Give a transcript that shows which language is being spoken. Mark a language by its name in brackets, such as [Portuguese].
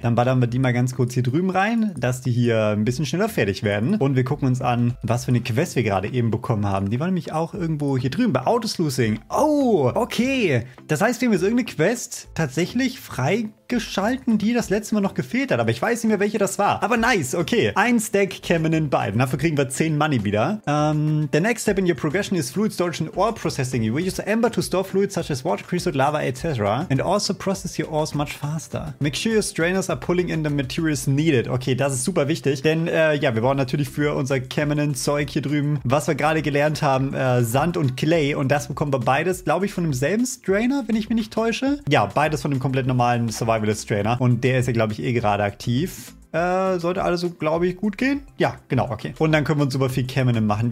[German] Dann ballern wir die mal ganz kurz hier drüben rein, dass die hier ein bisschen schneller fertig werden. Und wir gucken uns an, was für eine Quest wir gerade eben bekommen haben. Die war nämlich auch irgendwo hier drüben bei Autosluicing. Oh, okay. Das heißt, wir haben jetzt irgendeine Quest tatsächlich freigeschalten, die das letzte Mal noch gefehlt hat. Aber ich weiß nicht mehr, welche das war. Aber nice, okay. Ein Stack kämen in beiden. Dafür kriegen wir 10 Money wieder. [English] The next step in your progression is fluid storage and ore processing. You will use amber to store fluids such as water, crystal, lava, etc. And also process your ores much faster. Make sure your strainers are pulling in the materials needed. [German] Okay, das ist super wichtig, denn ja, wir brauchen natürlich für unser Kamenin-Zeug hier drüben, was wir gerade gelernt haben, Sand und Clay. Und das bekommen wir beides, glaube ich, von demselben Strainer, wenn ich mich nicht täusche. Ja, beides von dem komplett normalen Survivalist-Strainer. Und der ist ja, glaube ich, eh gerade aktiv. Sollte alles so, glaube ich, gut gehen. Ja, genau, okay. Und dann können wir uns super viel Kamenin machen.